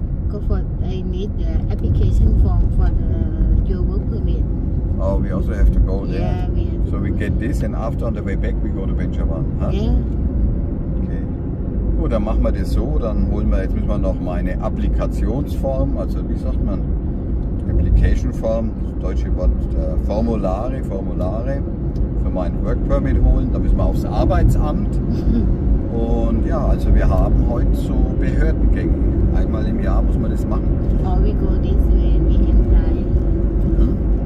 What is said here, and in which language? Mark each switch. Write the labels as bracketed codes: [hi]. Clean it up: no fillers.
[en] Go for, I need the application form for the your work permit. Oh, we also have to go there. Yeah, we have so to we go get there. This and after on the way back we go to Benjavan, huh? Yeah. Okay. [de] Gut, dann machen wir das so, dann holen wir, jetzt müssen wir noch meine Applikationsform, also wie sagt man? Application Form, das deutsche Wort, Formulare für mein Work Permit holen. Da müssen wir aufs Arbeitsamt. Und ja, also wir haben heute so Behördengänge. Einmal im Jahr muss man das machen. [en] Oh, we go this way and we can fly.